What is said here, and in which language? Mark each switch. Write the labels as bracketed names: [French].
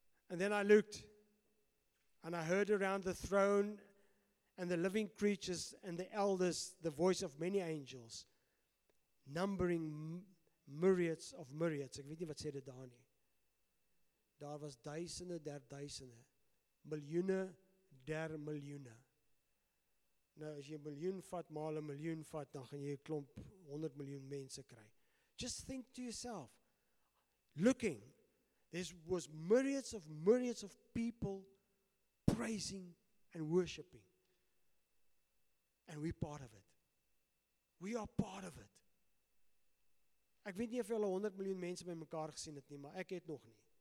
[English] And then I looked, and I heard around the throne and the living creatures and the elders the voice of many angels, numbering myriads of myriads. [Afrikaans] Ek weet nie wat sê dit daar nie. Daar was duisende der duisende, miljoene der miljoene. Nou, as jy 1 miljoen vat, maal 1 miljoen vat, dan gaan jy 'n klomp 100 miljoen mense kry. [English] Just think to yourself, looking, there was myriads of people praising and worshiping. And we're part of it. [Afrikaans] We are part of it. Ek weet nie of jy al 100 miljoen mense by mekaar gesien het nie, maar ek het nog nie.